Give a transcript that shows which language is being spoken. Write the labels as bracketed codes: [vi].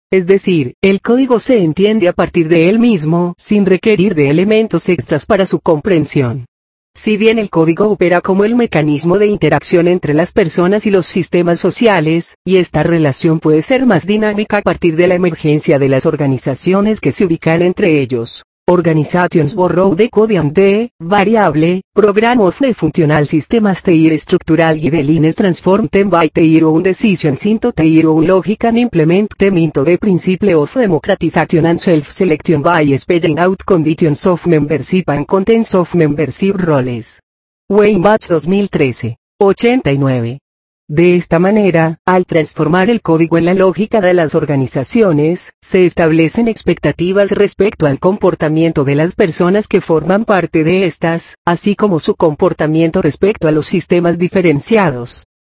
[es] Es decir, el código se entiende a partir de él mismo, sin requerir de elementos extras para su comprensión. Si bien el código opera como el mecanismo de interacción entre las personas y los sistemas sociales, y esta relación puede ser más dinámica a partir de la emergencia de las organizaciones que se ubican entre ellos. [en] Organizations borrow the code and the variable program of the functional systems their structural guidelines transform them by their own decisions into their own logic and implement them into the principle of democratization and self-selection by spelling out conditions of membership and contents of membership roles. Weinbach 2013. 89. [es] De esta manera, al transformar el código en la lógica de las organizaciones, se establecen expectativas respecto al comportamiento de las personas que forman parte de estas, así como su comportamiento respecto a los sistemas diferenciados.